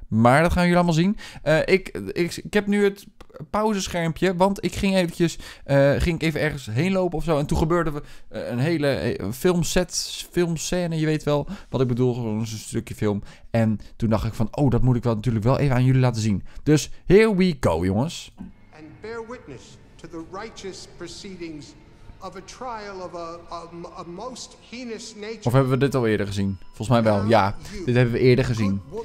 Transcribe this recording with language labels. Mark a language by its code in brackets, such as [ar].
[nl] Maar dat gaan jullie allemaal zien. Ik heb nu het pauzeschermpje, want ik ging eventjes ging ik even ergens heen lopen of zo. En toen gebeurde een hele filmscène, je weet wel wat ik bedoel, gewoon een stukje film. En toen dacht ik van, oh, dat moet ik natuurlijk wel even aan jullie laten zien. Dus [en] here we go, [nl] jongens. [en] And bear witness to the righteous proceedings of a trial of a most heinous nature. [nl] Of hebben we dit al eerder gezien? Volgens mij wel, ja. Dit hebben we eerder gezien.